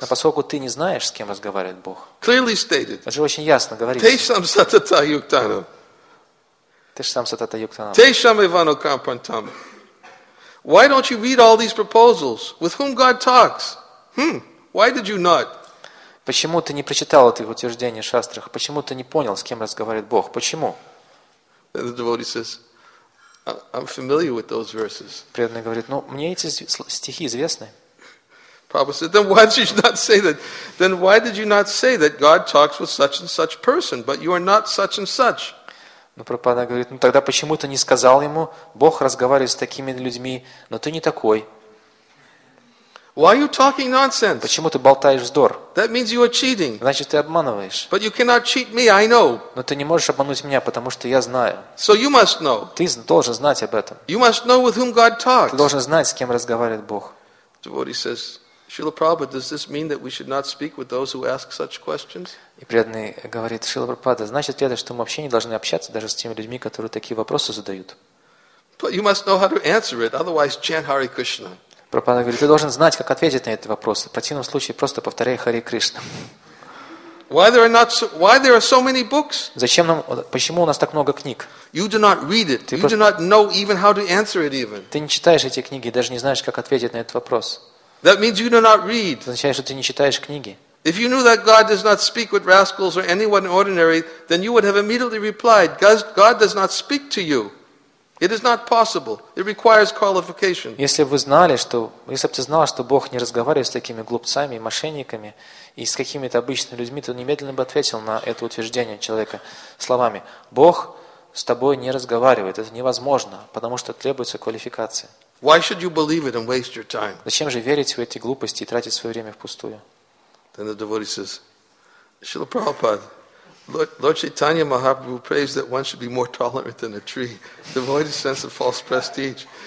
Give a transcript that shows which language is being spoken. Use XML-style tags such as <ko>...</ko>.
<ru>Но поскольку ты не знаешь, с кем разговаривает Бог.</ru> <en>Clearly stated.</en> <ru>Это же очень ясно говорится.</ru> <sa>Тейшам сатата юктанам. Тейшам сатата юктанам. Тейшам ивану кампантам.</sa> <en>Why don't you read all these proposals? With whom God talks? Why did you not?</en> <ru>Почему ты не прочитал эти утверждения в шастрах? Почему ты не понял, с кем разговаривает Бог? Почему?</ru> <en>And the devotee says, I'm familiar with those verses.</en> <ru>Преданный говорит, ну, мне эти стихи известны.</ru> <en>Prabhupada said, then why did you not say that? Then why did you not say that God talks with such and such person, but you are not such and such?</en> <ru>Но Прабхупада говорит, ну тогда почему ты не сказал ему, Бог разговаривает с такими людьми, но ты не такой.</ru> <en>Why are you talking nonsense?</en> <ru>Почему ты болтаешь вздор?</ru> <en>That means you are cheating.</en> <ru>Значит, ты обманываешь.</ru> <en>But you cannot cheat me, I know.</en> <ru>Но ты не можешь обмануть меня, потому что я знаю.</ru> <en>So you must know.</en> <ru>Ты должен знать об этом.</ru> <en>You must know with whom God talks.</en> <ru>Ты должен знать, с кем разговаривает Бог.</ru> <en>Devotee says, Srila Prabhupada, does this mean that we should not speak with those who ask such questions?</en> <ru>И преданный говорит, Шрила Прабхупада, значит ли это, что мы вообще не должны общаться даже с теми людьми, которые такие вопросы задают?</ru> <en>But you must know how to answer it, otherwise chant Hare Krishna.</en> <ru>Прабхупада говорит, ты должен знать, как ответить на этот вопрос. В противном случае просто повторяй Харе Кришна.</ru> <en>Why there are so many books?</en> <ru>Зачем нам, почему у нас так много книг?</ru> <en>You do not read it. You do not know even how to answer it even.</en> <ru>Ты не читаешь эти книги, даже не знаешь, как ответить на этот вопрос.</ru> <en>That means you do not read.</en> <ru>Это означает, что ты не читаешь книги.</ru> <en>If you knew that God does not speak with rascals or anyone ordinary, then you would have immediately replied, God does not speak to you. It is not possible. It requires qualification.</en> <ru>Если бы вы знали, что, если бы ты знал, что Бог не разговаривает с такими глупцами, мошенниками и с какими-то обычными людьми, то немедленно бы ответил на это утверждение человека словами: Бог с тобой не разговаривает. Это невозможно, потому что требуется квалификация.</ru> <en>Why should you believe it and waste your time?</en> <ru>Зачем же верить в эти глупости и тратить свое время впустую?</ru> <en>Then the devotee says, Srila Prabhupada, Lord Chaitanya Mahaprabhu prays that one should be more tolerant than a tree, devoid of sense of false prestige.</en>